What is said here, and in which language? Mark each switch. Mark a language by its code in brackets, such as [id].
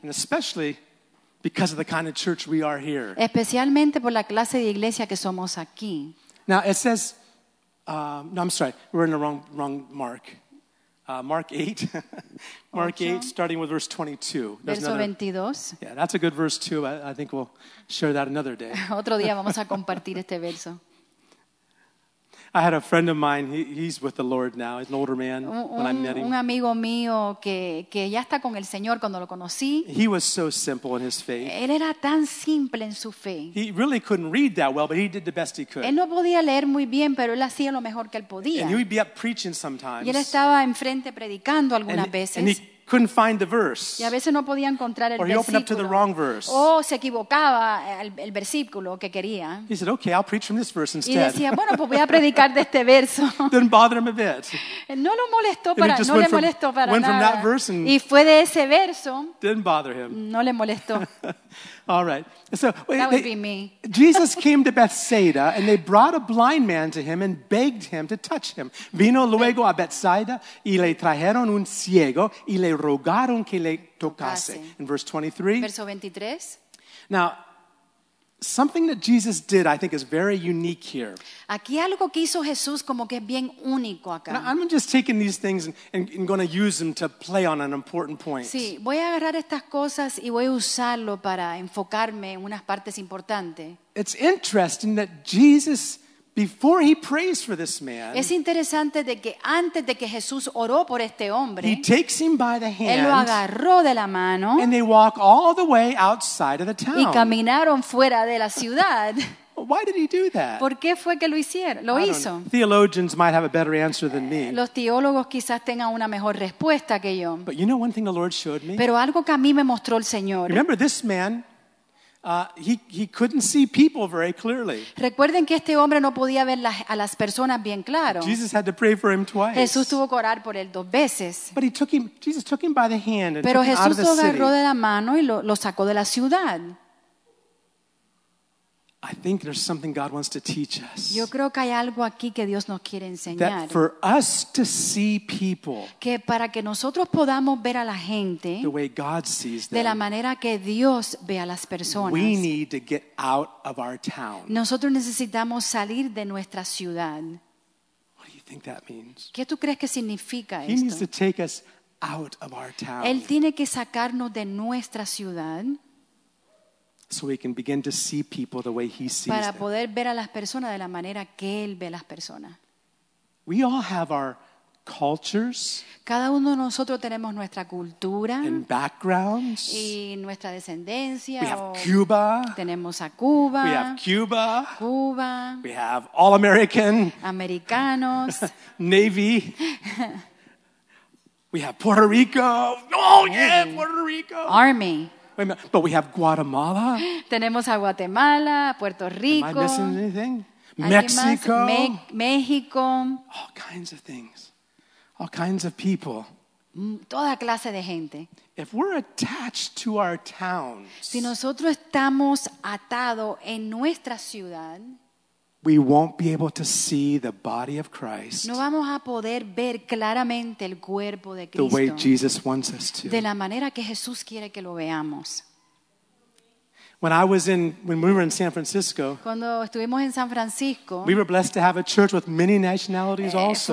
[en] And especially because of the kind of church we are here. [es] Especialmente por la clase de iglesia que somos aquí. [en] Now it says, no, I'm sorry, we're in the wrong Mark. Mark 8. Mark 8, starting with verse 22. [es] Verso 22. [en] Yeah, that's a good verse too. I think we'll share that another day. [es] Otro día vamos a compartir este verso. [en] I had a friend of mine, he's with the Lord now, he's an older man when I met him. [es] Un amigo mío que ya está con el Señor cuando lo conocí. [en] He was so simple in his faith. [es] Él era tan simple en su fe. [en] He really couldn't read that well, but he did the best he could. [es] Él no podía leer muy bien, pero él hacía lo mejor que él podía. [en] And he would be up preaching sometimes. [es] Y él estaba enfrente predicando algunas veces. [en] And he couldn't find the verse. [es] Y a veces no podía encontrar el [en] or he [es] versículo. [en] Opened up to the wrong verse. [es] O se equivocaba el versículo que quería. [en] He said, okay, I'll preach from this verse instead. [es] Y decía, bueno, pues voy a predicar de este verso. [en] Didn't bother him a bit. [es] No lo molestó para, no le molestó para [en] went [es] nada. [en] From that verse and [es] y fue de ese verso. [en] Didn't bother him. [es] No le molestó. [en] All right. So, that would be me. Jesus came to Bethsaida and they brought a blind man to him and begged him to touch him. [es] Vino luego a Bethsaida y le trajeron un ciego y le rogaron que le tocase. [en] In verse 23. [es] Verso 23. [en] Now, something that Jesus did, I think, is very unique here. [es] Aquí algo que hizo Jesús como que es bien único acá. [en] Now, I'm just taking these things and going to use them to play on an important point. [es] Sí, voy a agarrar estas cosas y voy a usarlo para enfocarme en unas partes importantes. [en] It's interesting that Jesus, before he prays for this man, [es] es interesante de que antes de que Jesús oró por este hombre, [en] he takes him by the hand, [es] él lo agarró de la mano, [en] and they walk all the way outside of the town. [es] Y caminaron fuera de la ciudad. [en] Why did he do that? [es] ¿Por qué fue que lo hicieron? Lo hizo. [en] Theologians might have a better answer than me. [es] Los teólogos quizás tengan una mejor respuesta que yo. [en] But you know one thing the Lord showed me? [es] Pero algo que a mí me mostró el Señor. [en] Remember this man? He couldn't see people very clearly. [es] Recuerden que este hombre no podía ver a las personas bien claro. [en] Jesus had to pray for him twice. [es] Jesús tuvo que orar por él dos veces. [en] But Jesus took him by the hand and took him out of the city. [es] Pero Jesús lo agarró de la mano y lo sacó de la ciudad. [en] I think there's something God wants to teach us. [es] Yo creo que hay algo aquí que Dios nos quiere enseñar. [en] That for us to see people, [es] que para que nosotros podamos ver a la gente, [en] the way God sees them, [es] de la manera que Dios ve a las personas, [en] we need to get out of our town. [es] Nosotros necesitamos salir de nuestra ciudad. [en] What do you think that means? [es] ¿Qué tú crees que significa [en] He [es] esto? [en] Needs to take us out of our town. [es] Él tiene que sacarnos de nuestra ciudad. [en] So we can begin to see people the way he sees them. [es] Para poder ver a las personas de la manera que él ve las personas. [en] We all have our cultures. [es] Cada uno de nosotros tenemos nuestra cultura. [en] And backgrounds. [es] Y nuestra descendencia. [en] We have Cuba. [es] Tenemos a Cuba. [en] We have Cuba. [es] Cuba. [en] We have all American. [es] Americanos. [en] Navy. We have Puerto Rico. Oh yeah, Puerto Rico. Army. But we have Guatemala. [es] Tenemos a Guatemala, Puerto Rico. [en] Am I missing anything? Mexico. [es] Mexico. [en] All kinds of things. All kinds of people. [es] Toda clase de gente. [en] If we're attached to our towns, [es] si nosotros estamos atado en nuestra ciudad, [en] we won't be able to see the body of Christ. [es] No vamos a poder ver claramente el cuerpo de Cristo. [en] The way Jesus wants us to. [es] De la manera que Jesús quiere que lo veamos. [en] When we were in San Francisco, [es] cuando estuvimos en San Francisco, [en] we were blessed to have a church with many nationalities also.